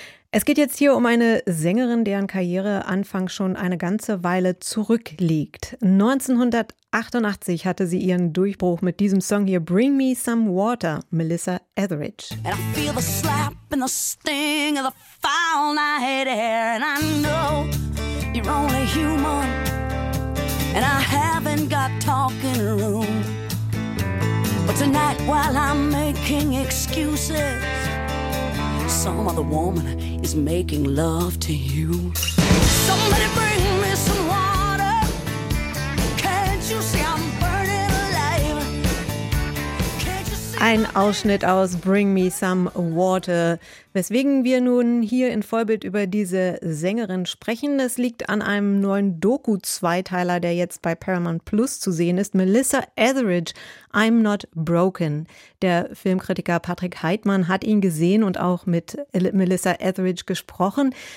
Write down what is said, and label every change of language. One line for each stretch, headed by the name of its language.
German: Es geht jetzt hier um eine Sängerin, deren Karriere Anfang schon eine ganze Weile zurückliegt. 1988 hatte sie ihren Durchbruch mit diesem Song hier, Bring Me Some Water, Melissa Etheridge.
English: And I feel the slap and the sting of the foul night air. And I know you're only human. And I haven't got talking room. But tonight while I'm making excuses, some other woman is making love to you. Somebody bring me some water. Can't you see I'm burning alive? Can't you see?
German: Ein Ausschnitt aus Bring Me Some Water. Weswegen wir nun hier in Vollbild über diese Sängerin sprechen. Das liegt an einem neuen Doku-Zweiteiler, der jetzt bei Paramount Plus zu sehen ist. Melissa Etheridge, I'm Not Broken. Der Filmkritiker Patrick Heidmann hat ihn gesehen und auch mit Melissa Etheridge gesprochen.